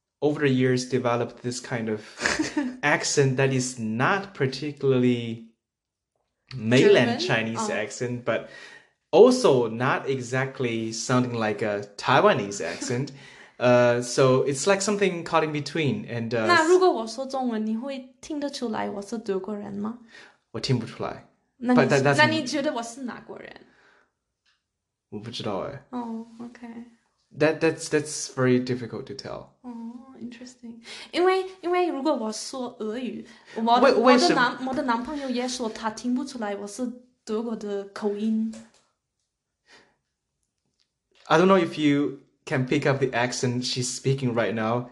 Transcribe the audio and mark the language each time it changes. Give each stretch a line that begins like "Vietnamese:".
English: over the years developed this kind of accent that is not particularly mainland German? Chinese accent, but also not exactly sounding like a Taiwanese accent. So it's like something caught in between. And
Chinese: 那如果我说中文,你会听得出来我是德国人吗? 我听不出来. 那你觉得我是哪国人? 我不知道诶.
English: Oh, okay. That's very difficult to tell. Oh, interesting.
Chinese: 因为如果我说俄语，我的男朋友也说他听不出来我是德国的口音.
English: I don't know if you can pick up the accent she's speaking right now.